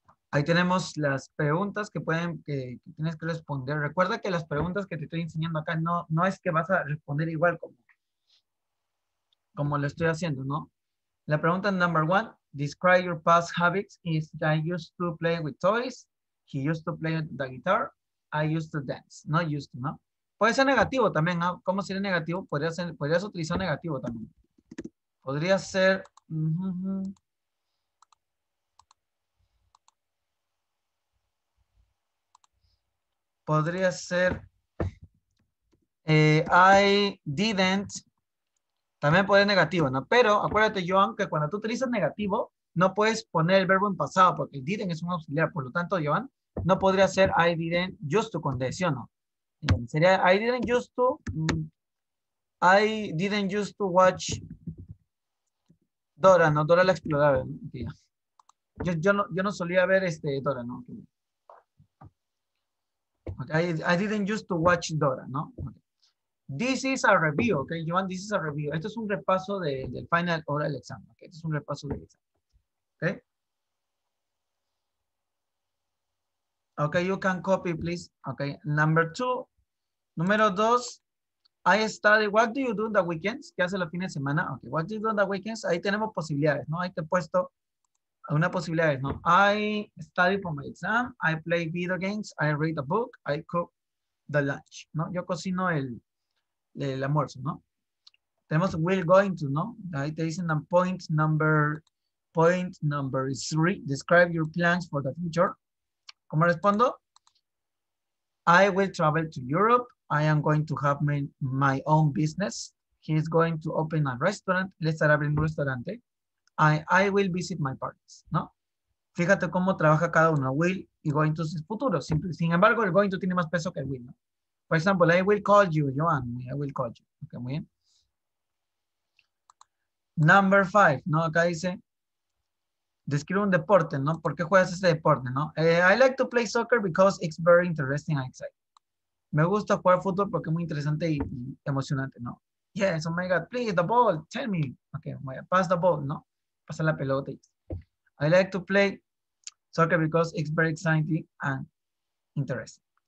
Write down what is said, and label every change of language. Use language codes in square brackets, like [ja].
[es] Ahí tenemos las preguntas que tienes que responder. Recuerda que las preguntas que te estoy enseñando acá no es que vas a responder igual como lo estoy haciendo, ¿no? La pregunta [en] number one, describe your past habits. Is that I used to play with toys? He used to play the guitar. I used to dance. No used to, ¿no? [es] Puede ser negativo también, ¿no? ¿Cómo sería negativo? Podrías utilizar negativo también. Podría ser. Podría ser. [en] I didn't. [es] También puede ser negativo, ¿no? Pero acuérdate, Joan, que cuando tú utilizas negativo, no puedes poner el verbo en pasado porque el didn't es un auxiliar. Por lo tanto, Joan, no podría ser [en] I didn't use to [es] con D, ¿sí o no? [en] Sería I didn't use to. I didn't use to watch Dora, ¿no? [es] Dora la exploraba. Yo no solía ver Dora, ¿no? [en] Okay. I didn't use to watch Dora, ¿no? Okay. This is a review, ok, Joan, this is a review. [es] Esto es un repaso del final oral exam, ok. Esto es un repaso del examen. [en] Ok. Ok, you can copy, please. Ok, number two. [es] Número dos. [en] I study, what do you do on the weekends? [es] ¿Qué hace los fines de semana? [en] Ok, what do you do on the weekends? [es] Ahí tenemos posibilidades, ¿no? Ahí te he puesto una posibilidad, ¿no? [en] I study for my exam. I play video games. I read a book. I cook the lunch, [es] ¿no? Yo cocino el almuerzo, ¿no? Tenemos will going to, ¿no? Ahí te dicen [en] point number three. Describe your plans for the future. [es] ¿Cómo respondo? [en] I will travel to Europe. I am going to have my own business. He is going to open a restaurant. [es] Él estará abriendo un restaurante. [en] I will visit my parents, [es] ¿no? Fíjate cómo trabaja cada uno. Will y going to es futuro. Sin embargo, el going to tiene más peso que el will, ¿no? Por ejemplo, [en] I will call you, Joan. I will call you. [es] Ok, muy bien. [en] Number five, [es] ¿no? Acá dice, describe un deporte, ¿no? ¿Por qué juegas este deporte, no? [en] I like to play soccer because it's very interesting and exciting. [es] Me gusta jugar fútbol porque es muy interesante y emocionante, ¿no? [en] Yes, oh my God, please, the ball, tell me. Ok, [es] voy a [en] pass the ball, ¿no? [es] Pasa la pelota. Y... [en] I like to play soccer because it's very exciting and interesting.